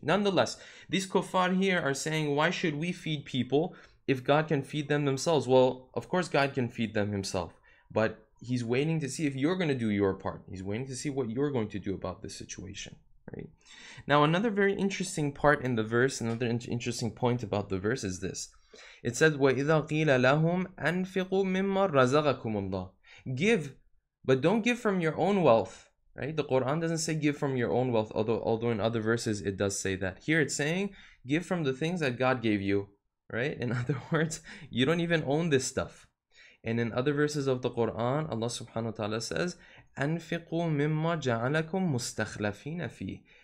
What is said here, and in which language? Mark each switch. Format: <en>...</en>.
<en>Nonetheless, these kuffar here are saying, why should we feed people if God can feed them themselves? Well, of course God can feed them Himself, but He's waiting to see if you're going to do your part. He's waiting to see what you're going to do about this situation. Right. Now, another very interesting part in the verse, another interesting point about the verse is this. It says,</en> <ar>وَإِذَا قِيلَ لَهُمْ أَنْفِقُوا مِمَّا رَزَقَكُمُ اللَّهُ.</ar> <en>Give, but don't give from your own wealth. Right? The Quran doesn't say give from your own wealth, although in other verses it does say that. Here it's saying, give from the things that God gave you. Right? In other words, you don't even own this stuff. And in other verses of the Quran, Allah subhanahu wa ta'ala says,</en> <ar>أَنْفِقُوا مِمَّا جَعَلَكُمْ مُسْتَخْلَفِينَ فِيهِ.</ar>